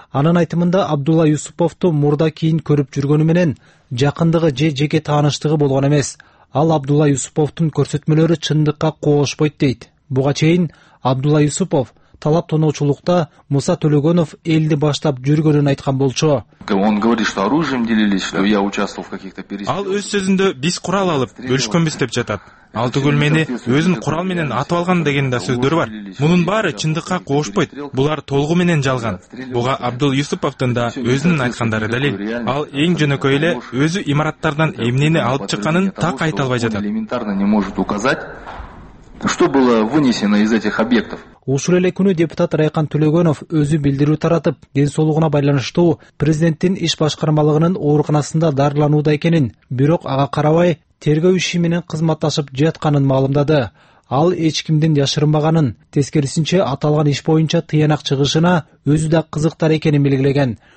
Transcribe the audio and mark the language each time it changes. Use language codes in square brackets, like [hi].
[ky] Анын айтымында Абдулла Юсуповду мурда кийин көрүп жүргөнү менен жакындыгы же жеке тааныштыгы болгон эмес. Ал Абдулла Юсуповдун көрсөтмөлөрү чындыкка коошпойт дейт. Буга чейин Абдулла Юсупов талап тоноочулукта Муса Төлөгөнов элди баштап жүргөнүн айткан болчу. [ru] Он говорит, что оружием делились, что я участвовал в каких-то перестрелках. [ky] Ал өз сөзүндө биз курал алып бөлүшкөнбүз деп жатат. Ал түгүл мени өзүн курал менен атып алган деген да сөздөр бар. Мунун баары чындыкка коошпойт. Булар толугу менен жалган. Буга Абдул Юсуповдун да өзүнүн айткандары далил. Ал эң жөнөкөй эле өзү имараттардан эмнени алып чыкканын так айта албай жатат. [ru] Элементарно не может указать. Что было вынесено из этих объектов? [ky] Ушул эле күнү депутат Райкан Төлөгөнов өзү билдирүү таратып, ден соолугуна байланыштуу президенттин иш башкармалыгынын ооруканасында дарыланууда экенин, бирок ага карабай тергөө иши менен кызматташып жатканын маалымдады. Ал эч кимден жашырынбаганын, тескерисинче аталган иш боюнча тыянак чыгышына өзү да кызыктар экенин белгилеген.